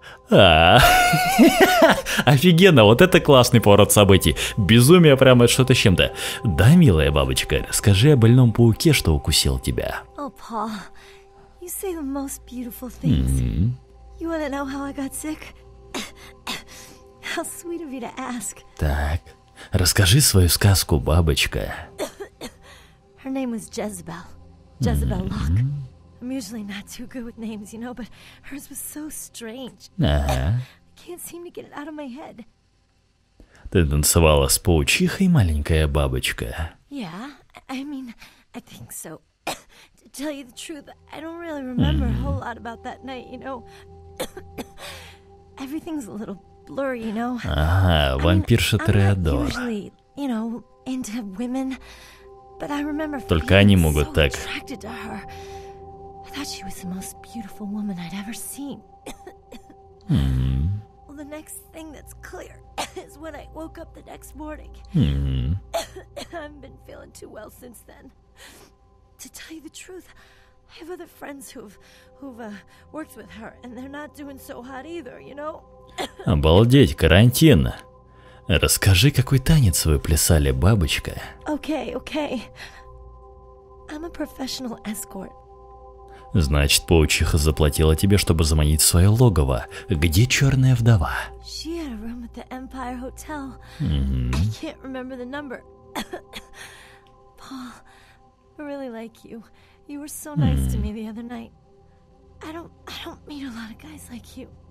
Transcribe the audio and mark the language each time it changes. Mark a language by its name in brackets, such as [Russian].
[Russian] Офигенно, вот это классный поворот событий. Безумие прямо что-то с чем-то. Да, милая бабочка, расскажи о больном пауке, что укусил тебя. О, [English] Oh, Paul, you say the most beautiful things. Mm-hmm. You want to know how I got sick? How sweet of you to ask. [Russian] Так, расскажи свою сказку, бабочка. [English] Her name was Jezebel. Jezebel mm-hmm. Locke. I'm usually not too good with names, you know, but hers was so strange. [Russian] Ага. [English] I can't seem to get it out of my head. [Russian] Ты танцевала с паучихой, маленькая бабочка? [English] Yeah, I mean, I think so. To tell you the truth, I don't really remember mm-hmm. a whole lot about that night, you know. Everything's a little blurry, you know. [Russian] Ага, вампирша Треадор. [English] I'm not usually, you know, into women, but I remember [Russian] Только они могут [English] so [Russian] так. [English] Attracted to her. I thought she was the most beautiful woman I'd ever seen. Mm-hmm. Well, the next thing that's clear is when I woke up the next morning. Mm-hmm. I haven't been feeling too well since then. To tell you the truth, I have other friends who've worked with her, and they're not doing so hot either, you know? [Russian] Обалдеть, карантин. Расскажи, какой танец вы плясали, бабочка? [English] Okay, okay. I'm a professional escort. [Russian] Значит, паучиха заплатила тебе, чтобы заманить в свое логово. Где черная вдова? [English] She had a room at the Empire Hotel. Mm-hmm. I can't remember the number. Paul, I really like you. You were so nice mm-hmm. to me the other night. I don't meet a lot of guys like you.